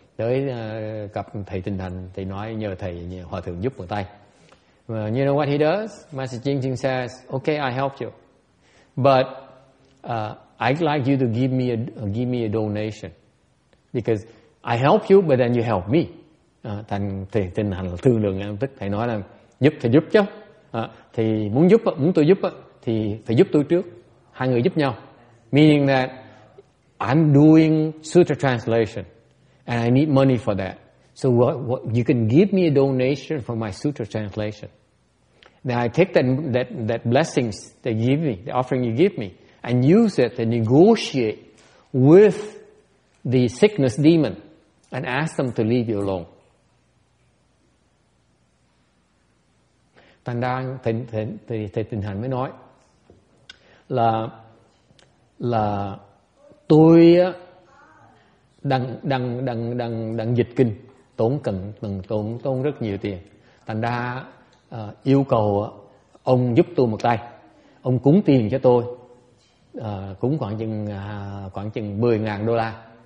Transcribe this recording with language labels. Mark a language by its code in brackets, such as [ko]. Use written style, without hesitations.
[vi] Tới gặp thầy Tinh Thành, thầy nói nhờ thầy nhờ hòa thượng giúp một tay. [en] You know what he does? Master Ching Ching says, okay, I helped you. But I'd like you to give me a donation. Because I help you, but then you help me. [vi] Thành thầy Tinh Thành thương lượng ngay lập tức. Thầy nói là giúp chứ. Thì muốn tôi giúp thì phải giúp tôi trước. Hai người giúp nhau. [en] Meaning that I'm doing sutra translation and I need money for that. So what you can give me a donation for my sutra translation. Then I take that blessings they give me, the offering you give me, and use it to negotiate with the sickness demon and ask them to leave you alone. [vi] Thành đang thầy Tinh Hành mới nói là tôi đang dịch kinh tốn rất nhiều tiền, thành ra yêu cầu ông giúp tôi một tay, ông cúng tiền cho tôi, cúng khoảng chừng 10,000 đô la.